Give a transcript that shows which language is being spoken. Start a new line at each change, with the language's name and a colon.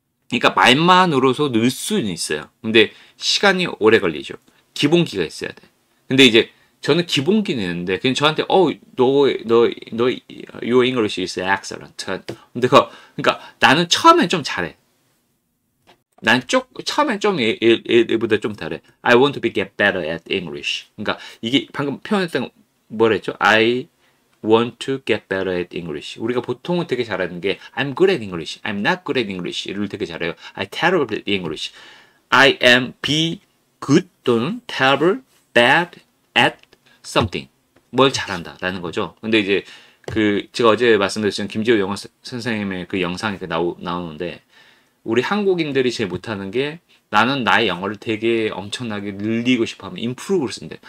Korean: 그러니까 말만으로서 늘 수는 있어요. 근데 시간이 오래 걸리죠. 기본기가 있어야 돼. 근데 이제 저는 기본기는 있는데 그냥 저한테 너
English: your English is excellent.
Korean: 그러니까 나는 처음엔 좀 잘해. 처음엔 얘보다 좀 잘해.
English: I want to get better at English.
Korean: 그러니까 이게 방금 표현했던 뭐라 했죠?
English: I want to get better at English.
Korean: 우리가 보통은 되게 잘하는 게
English: I'm good at English. I'm not good at English.
Korean: 이를 되게 잘해요.
English: I'm terrible at English. I am be good 또는 terrible bad at something.
Korean: 뭘 잘한다라는 거죠. 근데 이제 그 제가 어제 말씀드렸던 김지호 영어 선생님의 그 영상이 나오는데 우리 한국인들이 제일 못하는 게 나는 나의 영어를 되게 엄청나게 늘리고 싶어하면 improve를 쓴대.